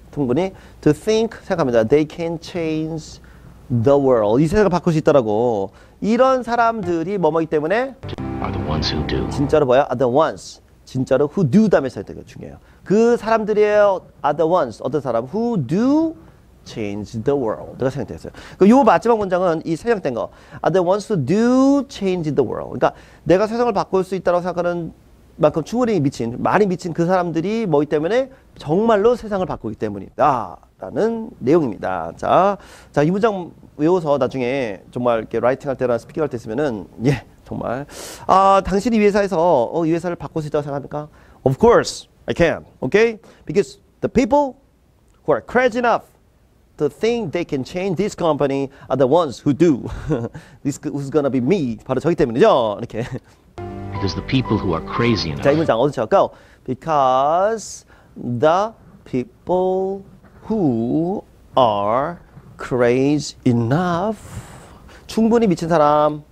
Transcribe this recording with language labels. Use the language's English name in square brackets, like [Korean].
[Korean] 충분히. [English] To think. [Korean] 생각합니다. [English] They can change the world. [Korean] 이 세상을 바꿀 수 있더라고. 이런 사람들이 뭐뭐기 때문에 [English] are the ones who do. [Korean] 진짜로 뭐야? [English] Are the ones. [Korean] 진짜로 who do 다음에 써야 되게 중요해요. 그 사람들이에요. [English] Are the ones. 어떤 사람? Who do change the world. [Korean] 가 생각됐어요. 이 마지막 문장은 이 생략된 거. [English] Are the ones who do change the world. [Korean] 그러니까 내가 세상을 바꿀 수 있다고 생각하는 만큼 충분히 미친, 많이 미친 그 사람들이 뭐기 때문에 정말로 세상을 바꾸기 때문이다. 라는 내용입니다. 자, 자, 이 문장 외워서 나중에 정말 이렇게 라이팅 할 때나 스피킹 할 때 쓰면은, 예, 정말. 아, 당신 이 회사에서, 어, 이 회사를 바꿀 수 있다고 생각합니까? [English] Of course, I can. Okay? Because the people who are crazy enough to think they can change this company are the ones who do. This is gonna be me. [Korean] 바로 저기 때문이죠. 이렇게. [English] Because the people who are crazy enough. [Korean] 자, 이 문장 어디서 go? [English] Because the people who are crazy enough [Korean] 충분히 미친 사람